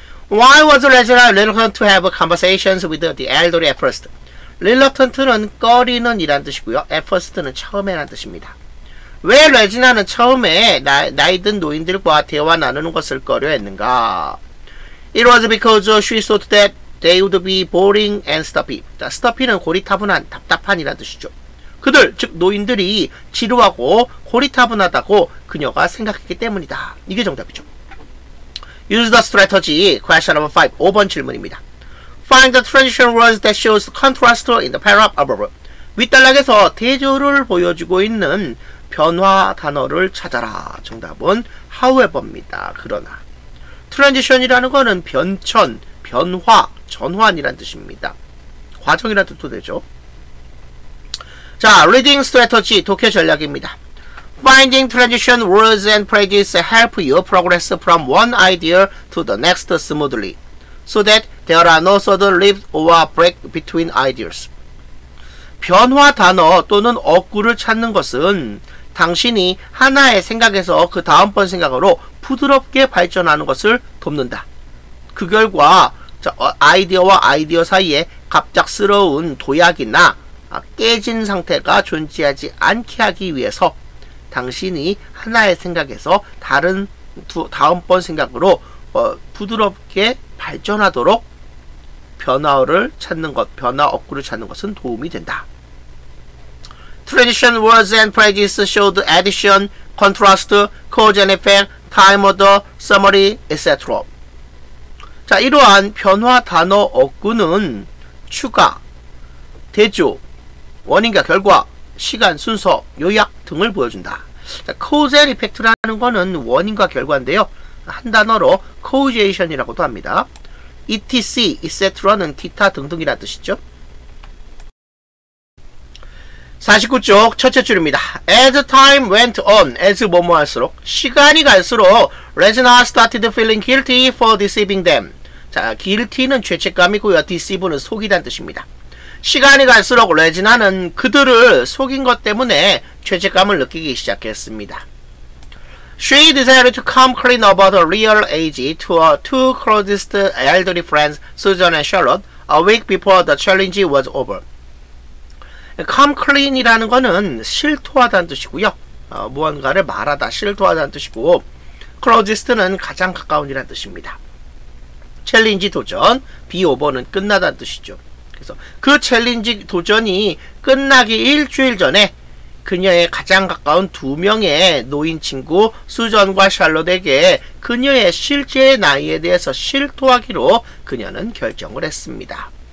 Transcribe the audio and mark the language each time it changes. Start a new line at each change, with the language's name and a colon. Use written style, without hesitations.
English: Why was Regina reluctant to have conversations with the elderly at first?
Korean: Reluctant는 꺼리는 이란 뜻이고요. At first는 처음에란 뜻입니다. 왜 레지나는 처음에 나이든 노인들과 대화 나누는 것을 꺼려했는가?
English: It was because she thought that they would be boring and stuffy.
Korean: Stuffy는 고리타분한, 답답한이란 뜻이죠. 그들, 즉 노인들이 지루하고 고리타분하다고 그녀가 생각했기 때문이다. 이게 정답이죠.
English: Use the strategy. Question number 5.
Korean: 5번 질문입니다.
English: Find the transition words that shows contrast in the paragraph above.
Korean: 윗단락에서 대조를 보여주고 있는 변화 단어를 찾아라. 정답은 however입니다. 그러나. transition이라는 거는 변천, 변화, 전환이란 뜻입니다. 과정이란 뜻도 되죠. 자, reading strategy, 독해 전략입니다.
English: Finding transition words and phrases help you progress from one idea to the next smoothly. So that there are no sudden leaps or break between ideas.
Korean: 변화 단어 또는 어구를 찾는 것은 당신이 하나의 생각에서 그 다음번 생각으로 부드럽게 발전하는 것을 돕는다. 그 결과 아이디어와 아이디어 사이에 갑작스러운 도약이나 깨진 상태가 존재하지 않게 하기 위해서 당신이 하나의 생각에서 다른 다음번 생각으로 부드럽게 발전하도록 변화를 찾는 것, 변화 억구를 찾는 것은 도움이 된다.
English: Transition words and phrases showed addition, contrast, cause and effect, time order, summary, etc.
Korean: 자, 이러한 변화 단어 억구는 추가, 대조, 원인과 결과, 시간, 순서, 요약 등을 보여준다. 자, cause and effect라는 것은 원인과 결과인데요. 한 단어로 causation이라고도 합니다. etc, etc는 기타 등등이라 뜻이죠. 49쪽 첫째 줄입니다.
English: As time went on, as 뭐뭐할수록
Korean: 시간이 갈수록
English: Regina started feeling guilty for deceiving them.
Korean: 자, guilty는 죄책감이고요. deceive는 속이다는 뜻입니다. 시간이 갈수록 레지나는 그들을 속인 것 때문에 죄책감을 느끼기 시작했습니다.
English: She decided to come clean about her real age to her two closest elderly friends, Susan and Charlotte, a week before the challenge was over.
Korean: Come clean이라는 거는 실토하다는 뜻이고요. 무언가를 말하다, 실토하다는 뜻이고, closest는 가장 가까운이라는 뜻입니다. 챌린지 도전, 비오버는 끝나다는 뜻이죠. 그래서 그 챌린지 도전이 끝나기 일주일 전에 그녀의 가장 가까운 두 명의 노인 친구 수전과 샬롯에게 그녀의 실제 나이에 대해서 실토하기로 그녀는 결정을 했습니다.